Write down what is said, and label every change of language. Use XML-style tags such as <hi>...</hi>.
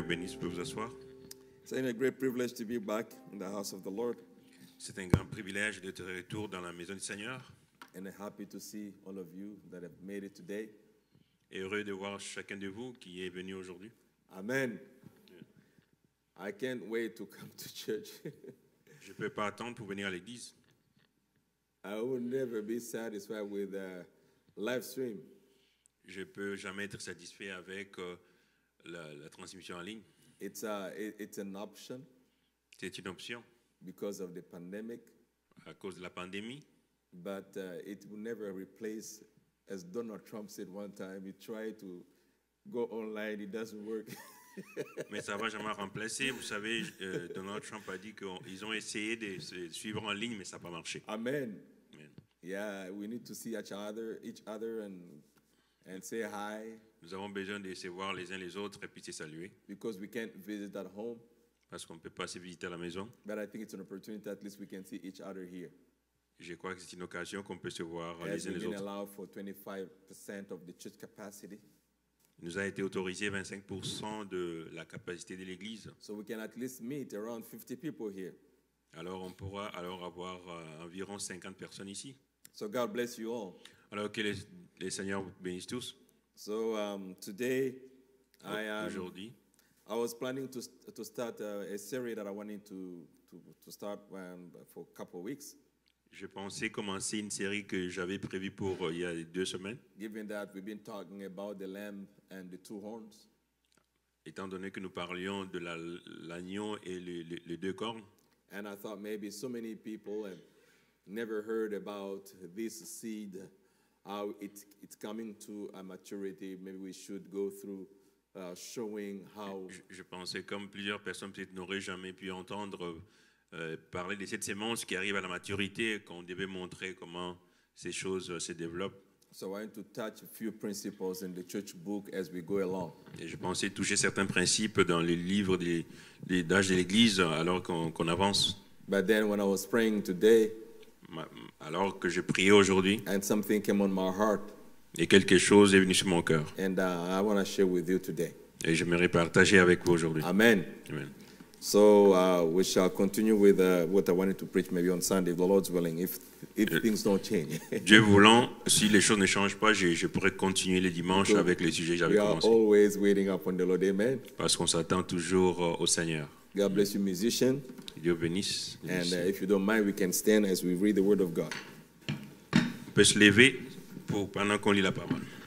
<en>Privilege to be back in the house of the Lord.</en> <fr>C'est un grand privilège d'être de retour dans la maison du Seigneur.</fr> <en>And I'm happy to see all of you that have made it today.</en> <fr>Et heureux de voir chacun de vous qui est venu aujourd'hui.</fr> <en>Amen. Yeah. I can't wait to come to church.</en> <fr>Je peux pas attendre pour venir à l'église.</fr> <en>I will never be satisfied with a live stream.</en> <fr>Je peux jamais être satisfait avec la transmission en ligne.</fr> <en>It's an option.</en> <fr>C'est une option.</fr> <en>Because of the pandemic.</en> <fr>À cause de la pandémie.</fr> <en>But it will never replace, as Donald Trump said one time, he tried to go online, it doesn't work.</en> <fr>Mais ça va jamais remplacer. Vous savez, Donald Trump a dit qu'ils ont essayé de se suivre en ligne, mais ça n'a pas marché. Amen. Amen.</fr> <en>Yeah, we need to see each other and say hi.</en> <fr>Nous avons besoin de se voir les uns les autres et puis de se saluer.</fr> <en>Because we can't visit at home.</en> <fr>Parce qu'on ne peut pas se visiter à la maison.</fr> <en>But I think it's an opportunity at least we can see each other here.</en> <fr>Je crois que c'est une occasion qu'on peut se voir</fr> <en>as</en> <fr>les uns les autres.</fr> <en>Been allowed for 25% of the church capacity.</en> <fr>Il nous a été autorisé 25% de la capacité de l'église.</fr> <en>So we can at least meet around 50 people here.</en> <fr>Alors on pourra alors avoir environ 50 personnes ici.</fr> <en>So God bless you all.</en> <fr>Alors que les seigneurs vous bénissent tous.</fr> <en>So today,</en> <fr>aujourd'hui,</fr> <en>I was planning to start a series that I wanted to start for a couple of weeks.</en> <fr>Je pensais commencer une série que j'avais prévu pour il y a deux semaines.</fr> <en>Given that we've been talking about the lamb and the two horns.</en> <fr>Étant donné que nous parlions de l'agneau et les deux cornes.</fr> <en>And I thought maybe so many people have never heard about this seed. How it's coming to a maturity. Maybe we should go through showing how.</en> <fr>Je pensais comme plusieurs personnes peut-être n'auraient jamais pu entendre parler de cette semence qui arrive à la maturité, qu'on devait montrer comment ces choses se développent.</fr> <en>So I want to touch a few principles in the church book as we go along.</en> <fr>Et je pensais toucher certains principes dans les livres d'âge de l'Église alors qu'on avance.</fr> <en>But then when I was praying today.</en> <fr>Alors que je priais aujourd'hui,</fr> <en>and something came on my heart.</en> <fr>Et quelque chose est venu sur mon cœur.</fr> <en>And I want to share with you today.</en> <fr>Et j'aimerais partager avec vous aujourd'hui. Amen. Amen.</fr> <en>So we shall continue with what I wanted to preach maybe on Sunday, if the Lord's willing, if things don't change.</en> <fr>Dieu voulant, si les choses ne changent pas, je pourrais continuer le dimanche avec les sujets que j'avais commencé.</fr> <en>We are always waiting upon the Lord. Amen.</en> <fr>Parce qu'on s'attend toujours au Seigneur.</fr> <en>God bless you, musician.</en> <fr>Dieu bénisse.</fr> <en>And if you don't mind, we can stand as we read the word of God.</en> <fr>On peut se lever pour pendant qu'on lit la parole.</fr>